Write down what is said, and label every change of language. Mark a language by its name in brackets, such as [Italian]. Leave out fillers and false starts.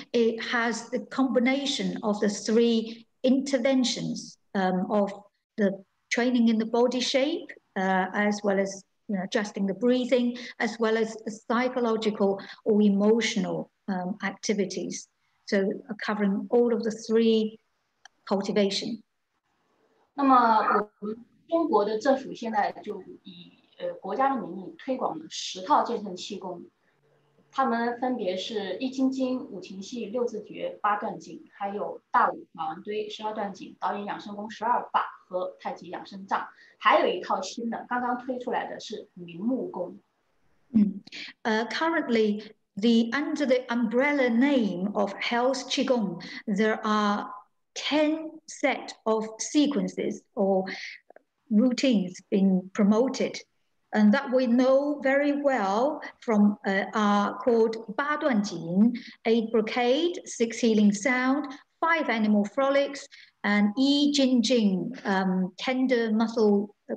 [English] It has the combination of the three interventions of the training in the body shape, as well as adjusting the breathing, as well as the psychological or emotional activities. So covering all of the three cultivation. [Chinese] 那么我们中国的政府现在就以国家的名义推广了十套健身气功，他们分别是一筋经、五禽戏、六字诀、八段锦，还有大武马王堆、十二段锦、导引养生功、十二法和太极养生杖，还有一套新的刚刚推出来的是明目功。 [English] Currently, under the umbrella name of health qigong, there are 10 set of sequences or routines being promoted. And that we know very well from are called 八段锦, 8 brocade, 6 healing sound, 5 animal frolics, and 一筋经, tender muscle